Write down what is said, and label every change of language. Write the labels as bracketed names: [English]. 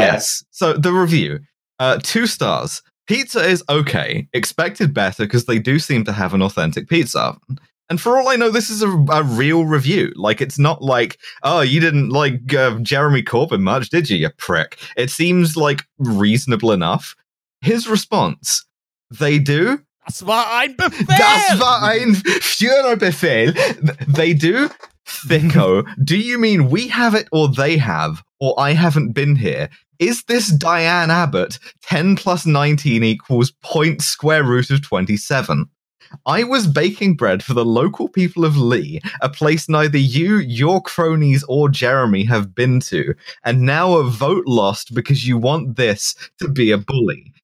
[English] Yes. So the review, 2 stars. Pizza is okay. Expected better because they do seem to have an authentic pizza oven. And for all I know, this is a real review. Like, it's not like, oh, you didn't like Jeremy Corbyn much, did you, you prick? It seems, like, reasonable enough. His response, they do. [German] Das war ein Befehl! Das war ein Führerbefehl! [English] They do? Thicko, do you mean we have it or they have, or I haven't been here? Is this Diane Abbott 10 plus 19 equals point square root of 27? I was baking bread for the local people of Lee, a place neither you, your cronies, or Jeremy have been to, and now a vote lost because you want this to be a bully.